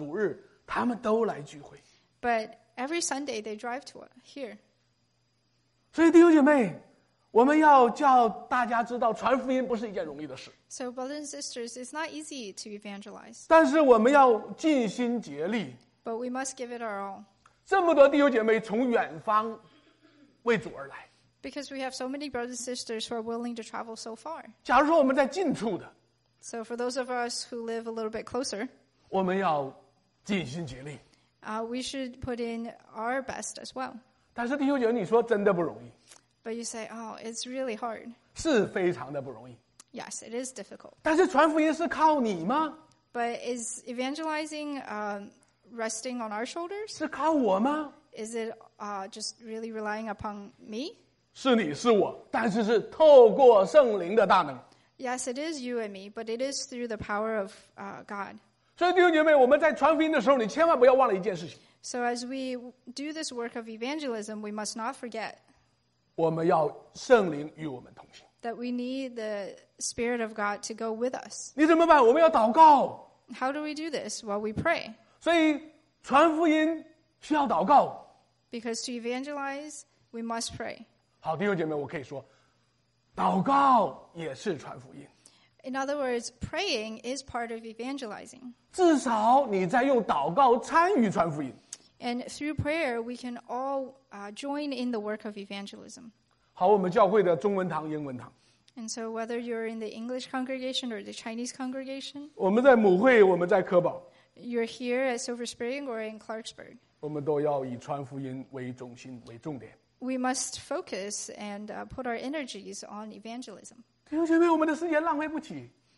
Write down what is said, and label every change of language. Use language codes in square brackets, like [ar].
[zh] 但是每个主日，他们都来聚会。 [en] But every Sunday, they drive to here. [zh] 所以弟兄姐妹。我们要叫大家知道，传福音不是一件容易的事。 [en] So brothers and sisters, it's not easy to evangelize. [zh] 但是我们要尽心竭力。 [en] But we must give it our all. [zh] 这么多弟兄姐妹从远方为主而来。 [en] Because we have so many brothers and sisters who are willing to travel so far. [zh] 假如说我们在近处的。 [en] So for those of us who live a little bit closer. [zh] 我们要尽心竭力。 [en] We should put in our best as well. [zh] 但是弟兄姐妹，你说真的不容易。 [en] But you say, oh, it's really hard. [zh] 是非常的不容易。 [en] Yes, it is difficult. [zh] 但是传福音是靠你吗? [en] But is evangelizing resting on our shoulders? [zh] 是靠我吗? [en] Is it just really relying upon me? [zh] 是你是我, 但是是透过圣灵的大能。 [en] Yes, it is you and me, but it is through the power of God. [zh] 所以弟兄姐妹, 我们在传福音的时候, 你千万不要忘了一件事情。 [en] So as we do this work of evangelism, we must not forget [zh] 我们要圣灵与我们同行 [en] That we need the Spirit of God to go with us [zh] 你怎么办?我们要祷告 [en] How do we do this? Well, we pray [zh] 所以传福音需要祷告 [en] Because to evangelize, we must pray [zh] 好,弟兄姐妹,我可以说 祷告也是传福音 [en] In other words, praying is part of evangelizing [zh] 至少你在用祷告参与传福音 [en] And through prayer, we can all join in the work of evangelism. [zh] 好，我们教会的中文堂、英文堂。 [en] And so, whether you're in the English congregation or the Chinese congregation, [zh] 我们在母会，我们在科堡。 [en] You're here at Silver Spring or in Clarksburg. [zh] 我们都要以传福音为中心为重点。 [en] We must focus and put our energies on evangelism. [zh] 弟兄姐妹，我们的时间浪费不起。